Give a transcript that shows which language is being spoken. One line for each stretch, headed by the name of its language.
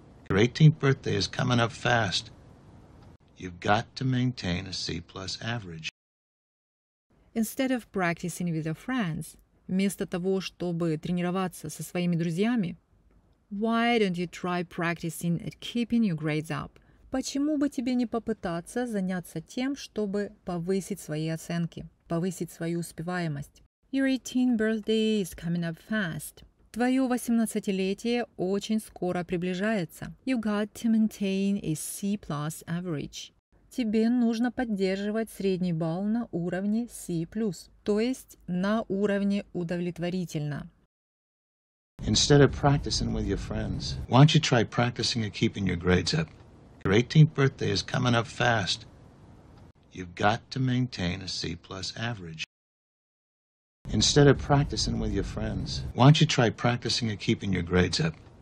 English: Your 18th birthday is coming up fast. You've got to maintain a C+ average. Instead of practicing with your friends,
Russian: вместо того, чтобы тренироваться со своими друзьями,
English: Why don't you try practicing at keeping your grades up?
Russian: Почему бы тебе не попытаться заняться тем, чтобы повысить свои оценки, повысить свою успеваемость?
English: Your 18th birthday is coming up fast.
Russian: Твое 18-летие очень скоро приближается.
English: You got to maintain a C+ average.
Russian: Тебе нужно поддерживать средний балл на уровне C+, то есть на уровне удовлетворительно.
English: Instead of practicing with your friends, why don't you try practicing at keeping your grades up? Your 18th birthday is coming up fast. You've got to maintain a C+ average. Instead of practicing with your friends, why don't you try practicing at keeping your grades up?